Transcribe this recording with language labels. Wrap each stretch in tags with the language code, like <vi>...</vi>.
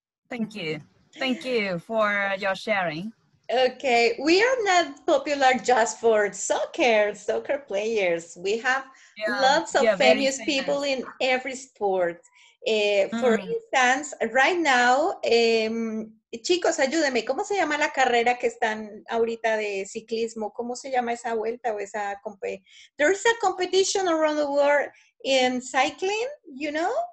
<en>Thank you. Thank you for your sharing. Okay. We are not popular just for soccer players. We have lots of famous people in every sport. For instance, right now, chicos, ayúdenme.</en> <es>¿Cómo se llama la carrera que están ahorita de ciclismo? ¿Cómo se llama esa vuelta o esa competición?</es> <en>There is a competition around the world in cycling, you know?</en>